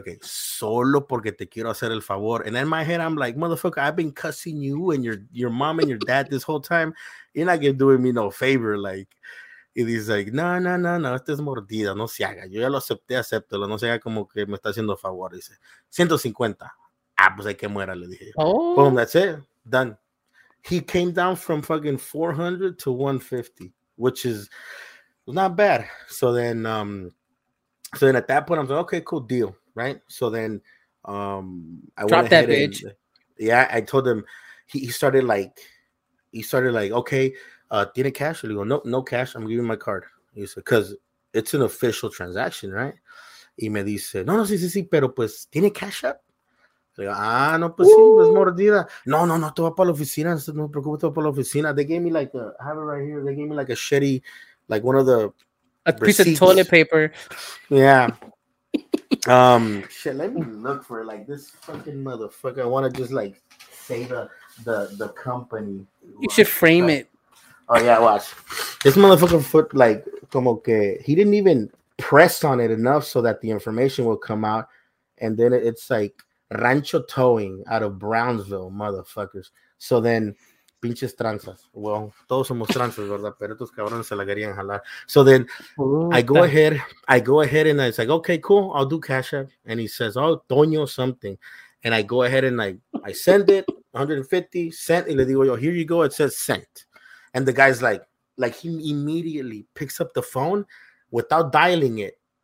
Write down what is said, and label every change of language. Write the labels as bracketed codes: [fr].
[es] Solo porque te quiero hacer el favor. [en] And in my head, I'm like, motherfucker, I've been cussing you and your mom and your dad this whole time. You're not gonna do me no favor, like. And he's like, [es] no, esta es mordida, no se haga. Yo ya lo acepté, acéptalo, no se haga como que me está haciendo favor. Dice, 150. Ah, pues hay que muera, le dije. Oh. [en] Boom, that's it. Done. He came down from fucking 400 to 150, which is not bad. So then at that point, I'm like, okay, cool, deal, right? So then I went ahead. Drop that bitch. And, yeah, I told him, he started like, okay, [es] tiene cash? Le digo, no cash. [en] I'm giving my card. He said, because it's an official transaction, right? [es] Y me dice, no, sí, pero pues, ¿tiene cash up? Le digo, no, pues ooh, sí, es mordida. No, te va para la oficina. No me preocupes, te va para la oficina. [en] They gave me like I have it right here. They gave me like a shitty, like one of the a receipts. Piece of toilet paper. Yeah. shit, let me look for like this fucking motherfucker. I want to just like say the company. You should frame it. Oh, yeah, watch. This motherfucker foot, like, [es] como que, [en] he didn't even press on it enough so that the information will come out. And then it's like Rancho Towing out of Brownsville, motherfuckers. [es] So then, pinches tranzas. Well, todos somos tranzas, ¿verdad? Pero estos cabrones se la querían jalar. [en] So then, I go ahead and it's like, okay, cool, I'll do cash app. And he says, oh, Toño something. And I go ahead and I send it, 150, sent. [es] Y le digo, yo, [en] here you go, it says sent. And the guy's like he immediately picks up the phone without dialing it.